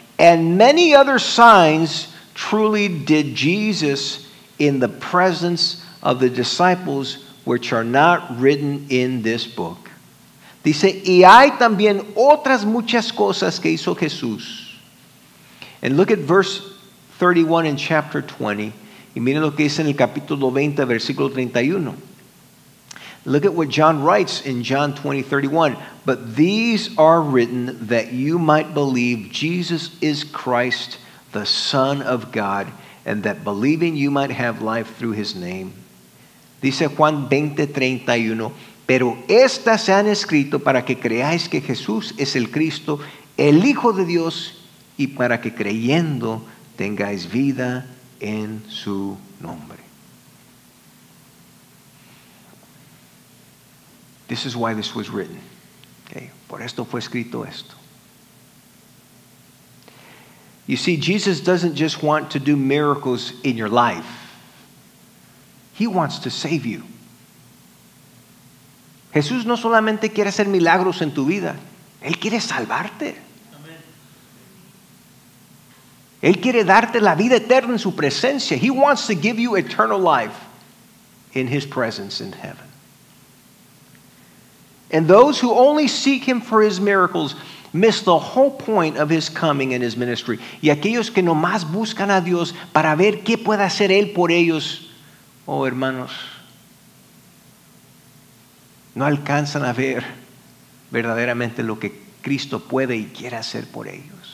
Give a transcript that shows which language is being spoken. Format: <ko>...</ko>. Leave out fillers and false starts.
<en>And many other signs truly did Jesus in the presence of the disciples, which are not written in this book.</en> <es>Dice, y hay también otras muchas cosas que hizo Jesús.</es> <en>And look at verse 31 in chapter 20.</en> <es>Y miren lo que dice en el capítulo 20, versículo 31.</es> <en>Look at what John writes in John 20, 31. But these are written that you might believe Jesus is Christ, the Son of God, and that believing you might have life through his name.</en> <es>Dice Juan 20:31, pero estas se han escrito para que creáis que Jesús es el Cristo, el Hijo de Dios, y para que creyendo tengáis vida en su nombre.</es> <en>This is why this was written. Okay.</en> <es>Por esto fue escrito esto.</es> <en>You see, Jesus doesn't just want to do miracles in your life. He wants to save you.</en> <es>Jesús no solamente quiere hacer milagros en tu vida. Él quiere salvarte. Él quiere darte la vida eterna en su presencia.</es> <en>He wants to give you eternal life in his presence in heaven. And those who only seek him for his miracles miss the whole point of his coming and his ministry.</en> <es>Y aquellos que nomás buscan a Dios para ver qué puede hacer él por ellos, oh, hermanos, no alcanzan a ver verdaderamente lo que Cristo puede y quiere hacer por ellos.</es>